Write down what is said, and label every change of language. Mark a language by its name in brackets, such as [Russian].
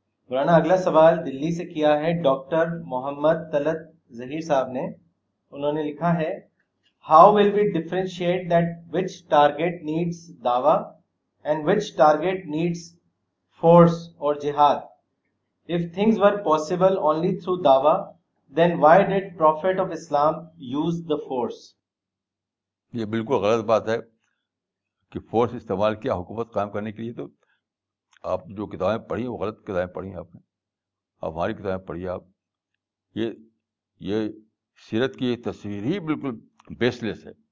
[Urdu] مولانا اگلا سوال دلی سے کیا ہے ڈاکٹر محمد طلعت ظہیر صاحب نے. انہوں نے لکھا ہے, [English] How will be differentiate that which target needs دعوی and which target needs force اور جہاد. If things were possible only through دعوی, then why did prophet of Islam use the force? [Urdu] یہ بالکل غلط بات ہے کہ فورس استعمال کیا حکومت قائم کرنے کے لیے. تو آپ جو کتابیں پڑھی ہیں وہ غلط کتابیں پڑھی ہیں آپ نے, ہماری کتابیں پڑھی آپ. یہ سیرت کی یہ تصویر ہی بالکل بیس لیس ہے.